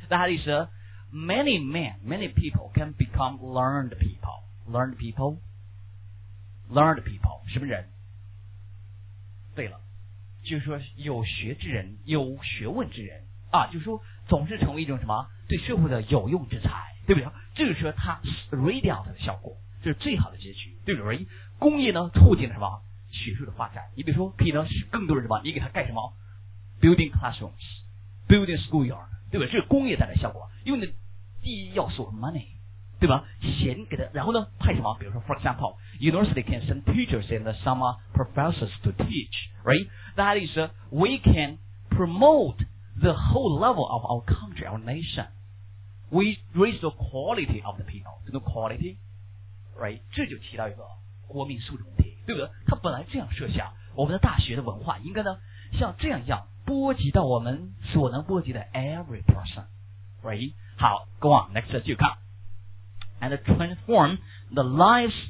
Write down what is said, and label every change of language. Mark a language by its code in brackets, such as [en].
[en] That is, many people can become learned people. Learned people? Learned people, [zh] 什么人？对了，就是说有学之人，有学问之人啊，就是说总是成为一种什么对社会的有用之才，对不对？这就是它 [en] radiate [zh] 的效果，这是最好的结局，对不对？工业呢促进了什么学术的发展？你比如说可以呢使更多人什么，你给他盖什么 [en] building classrooms, building schoolyard, [zh] 对吧？这是工业带来的效果，因为呢第一要素 money, 对吧？钱给他，然后呢派什么？比如说 [en] for example。 University can send teachers and some professors to teach, right? That is, we can promote the whole level of our country, our nation. We raise the quality of the people. The quality, right? [zh] 这就提到一个国民素质问题，对不对？他本来这样设想，我们的大学的文化应该呢像这样一样，波及到我们所能波及的 [en] every person, right? [zh] 好 [en] ，go on, next [zh] 继续看 [en] ，and transform the lives.